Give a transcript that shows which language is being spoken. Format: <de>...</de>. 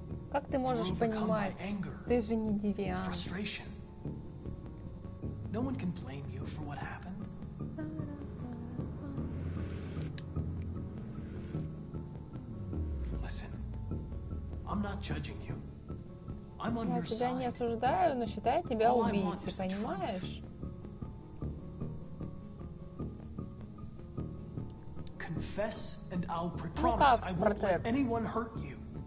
<ru>Как ты можешь понимать? Ты же не девиант.</ru> <en>No one can blame you for what happened. Listen, I'm not judging you.</en> <ru>Я тебя не осуждаю, но считаю тебя убийцей, понимаешь?</ru> <en>Confess and I'll promise I won't let anyone hurt you.</en>